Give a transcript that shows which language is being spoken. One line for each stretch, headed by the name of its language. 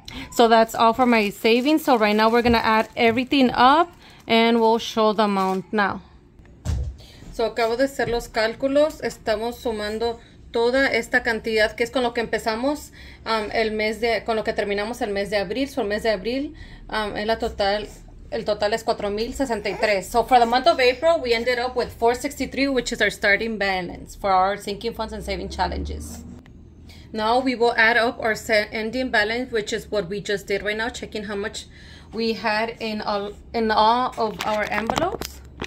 English: So that's all for my savings. So right now we're going to add everything up and we'll show the amount now.
Spanish: So acabo de hacer los cálculos. Estamos sumando toda esta cantidad que es con lo que empezamos el mes de, con lo que terminamos el mes de abril. So el mes de abril es la total, el total es 4,063.
English: So for the month of April, we ended up with 463, which is our starting balance for our sinking funds and saving challenges. Now we will add up our ending balance, which is what we just did right now, checking how much we had in all of our envelopes.